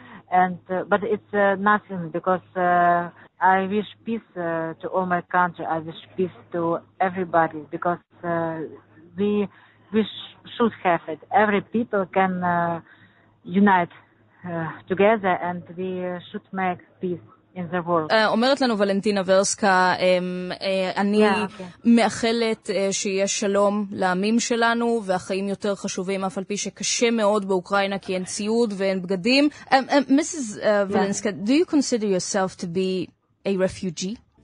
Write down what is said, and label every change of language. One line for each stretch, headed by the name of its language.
English: And but it's nothing, because I wish peace to all my country. I wish peace to everybody, because we should have it. Every people can unite together, and we should make peace.
Hebrew: אומרת לנו ולנטינה ורסקה, אני מאחלת שיהיה שלום לעמים שלנו, והחיים יותר חשובים, אף על פי שקשה מאוד באוקראינה, כי אין ציוד ואין בגדים.
English: Mrs. Valenska, do you consider yourself to be a refugee?